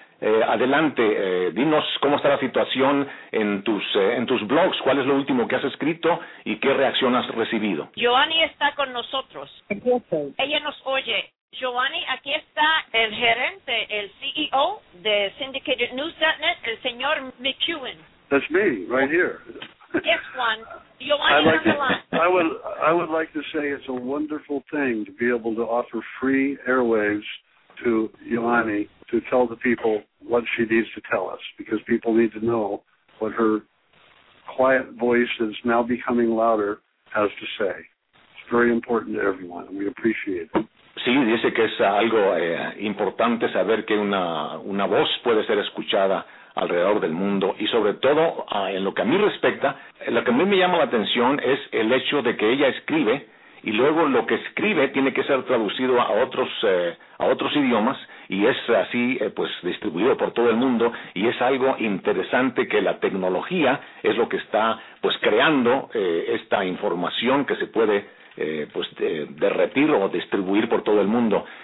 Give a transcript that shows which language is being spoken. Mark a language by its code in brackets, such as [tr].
[es] Adelante, dinos cómo está la situación en tus blogs, cuál es lo último que has escrito y qué reacción has recibido. Joanny está con nosotros. Ella nos oye. Joanny, aquí está el gerente, el CEO de SyndicatedNews.net, el señor McEwen. [en] That's me, right here. Yes, Juan. Joanny, like on the line. I would like to say it's a wonderful thing to be able to offer free airwaves to Joanny to tell the people what she needs to tell us, because people need to know what her quiet voice is now becoming louder has to say. It's very important to everyone, and we appreciate it. [es] Sí, dice que es algo importante saber que una voz puede ser escuchada alrededor del mundo, y sobre todo en lo que a mí respecta, lo que a mí me llama la atención es el hecho de que ella escribe y luego lo que escribe tiene que ser traducido a otros idiomas, y es así pues distribuido por todo el mundo, y es algo interesante que la tecnología es lo que está pues creando esta información que se puede derretir o distribuir por todo el mundo.